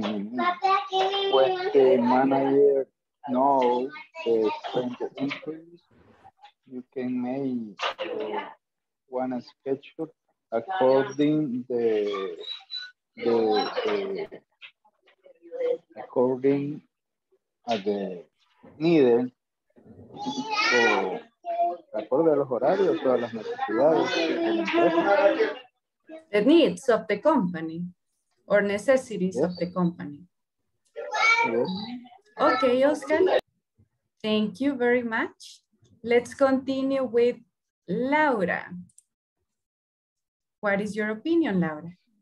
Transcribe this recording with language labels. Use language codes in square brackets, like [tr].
[en] When the manager knows the strength of employees, you can make one schedule according the needed. [es] So, acorde a los horarios, todas las necesidades. [en] The needs of the company or necessities, yes, of the company. Yes. Okay, Oscar. Thank you very much. Let's continue with Laura. What is your opinion, Laura?